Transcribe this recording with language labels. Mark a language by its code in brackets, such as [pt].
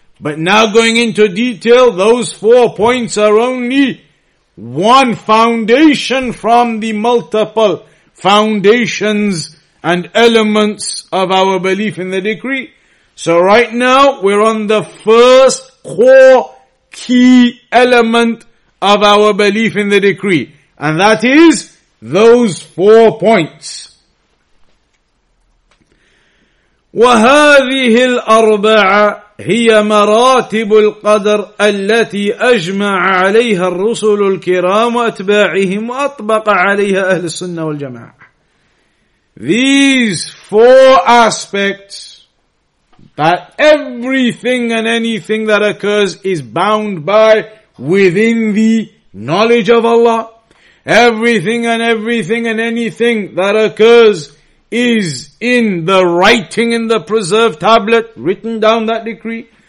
[en] But now going into detail, those four points are only one foundation from the multiple foundations and elements of our belief in the decree. So right now, we're on the first core key element of our belief in the decree. And that is those four points. [ar] وهذه الأربعة هي مراتب القدر التي أجمع عليها الرسل الكرام وأتباعهم وأطبق عليها أهل السنة والجماعة. [en] These four aspects, that everything and anything that occurs is bound by within the knowledge of Allah. Everything and anything that occurs is in the writing in the preserved tablet, written down that decree.